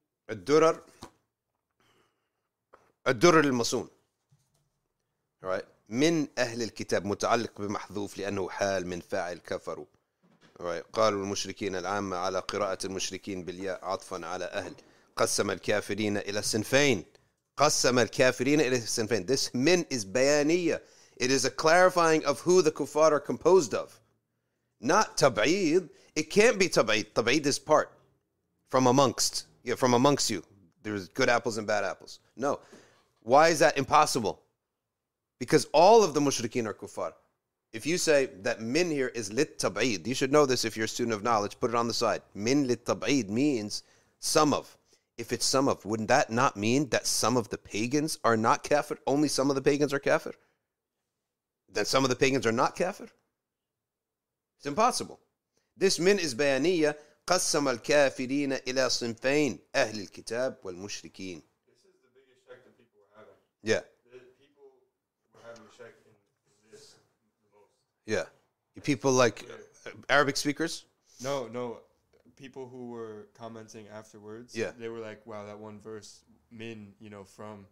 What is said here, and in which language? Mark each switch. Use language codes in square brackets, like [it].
[ar] الدرر الدرر المصون right. من أهل الكتاب متعلق بمحذوف لأنه حال من فاعل كفروا right. قالوا المشركين العامة على قراءة المشركين بالياء عطفا على أهل قسم الكافرين إلى صنفين قسم الكافرين إلى صنفين. [en] This من is بيانية. It is a clarifying of who the kuffar are composed of, not تبعيد. It can't be تبعيد. تبعيد is part from amongst. Yeah, from amongst you, there's good apples and bad apples. No. Why is that impossible? Because all of the mushrikeen are kuffar. If you say that min here is lit tab'id, you should know this if you're a student of knowledge, put it on the side. Min lit tab'id means some of. If it's some of, wouldn't that not mean that some of the pagans are not kafir? Only some of the pagans are kafir? Then some of the pagans are not kafir? It's impossible. This min is bayaniyya. [ar] قسم الكافرين إلى صنفين أهل الكتاب والمشركين. [en] This is the biggest shock that people were having. Yeah. The people were having a shock in this the most. Yeah. Yeah. People like yeah. Arabic speakers? No, no. People who were commenting afterwards. Yeah. They were like, wow, that one verse, min, you know, from.